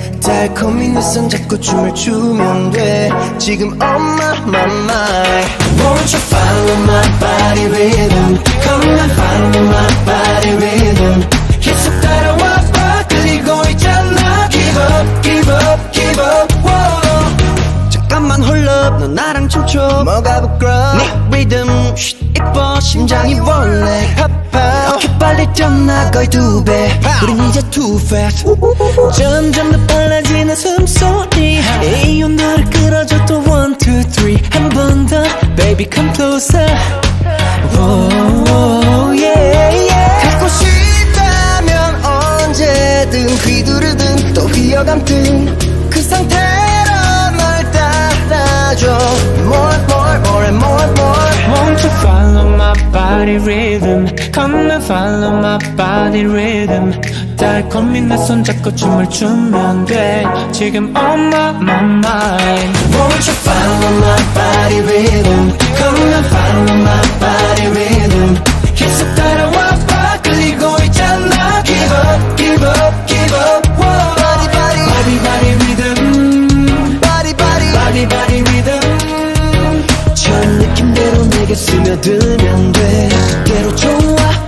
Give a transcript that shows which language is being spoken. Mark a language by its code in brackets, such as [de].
[ko] 달콤히 내 손 잡고 춤을 추면 돼. 지금 [en] on my, my mind. Won't you follow my body rhythm? Come and follow my body rhythm. [ko] 계속 따라와 봐, 그리고 있잖아. [en] Give up, give up, give up, whoa. [ko] 잠깐만 [en] hold up, [ko] 너 나랑 춤춰. 뭐가 부끄러워? 네 리듬, 쉿, 이뻐. 심장이 원래 빨리 뛰어나 거의 두 배. 우린 이제 [en] too fast. [ko] 점점 더 빨라지는 숨소리. 에이요 너를 끌어줘 또 [en] one two three. [ko] 한 번 더 [en] baby come closer. Oh yeah yeah. [ko] 갖고 싶다면 언제든 휘두르든 또 휘어감든 그 상태로 널 따라줘. [en] More more more and more more. Won't you follow my body rhythm? Come and follow my body rhythm. [ko] 달콤히 내 손 잡고 춤을 추면 돼. 지금 [en] on my, my mind. Won't you follow my body rhythm? Come and follow my body rhythm. [ko] 계속 따라와 봐, 끌리고 있잖아. [en] Give up, give up, give up. Whoa. Body, body, body, body rhythm. Body, body, body, body rhythm. [ko] 전 느낌대로 내게 스며들면 돼. 그대로 좋아.